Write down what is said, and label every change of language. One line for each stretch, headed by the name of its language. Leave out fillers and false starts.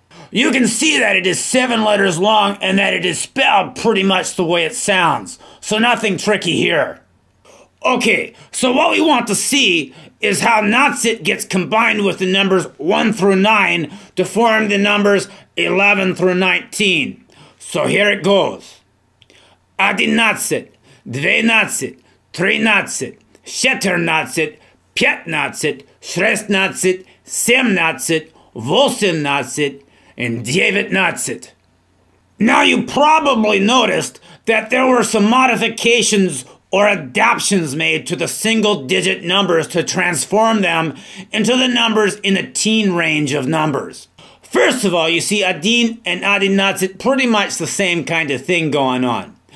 English: You can see that it is 7 letters long and that it is spelled pretty much the way it sounds, so nothing tricky here. Okay, so what we want to see is how "natsit" gets combined with the numbers 1 through 9 to form the numbers 11 through 19. So here it goes.
Russian: Одинадцать, двенадцать, тринадцать, четырнадцать, пятнадцать, шестнадцать, семнадцать, восемнадцать, and девятнадцать.
English: Now you probably noticed that there were some modifications or adaptations made to the single-digit numbers to transform them into the numbers in the teen range of numbers. First of all, you see Adin and Одинадцать pretty much the same kind of thing going on.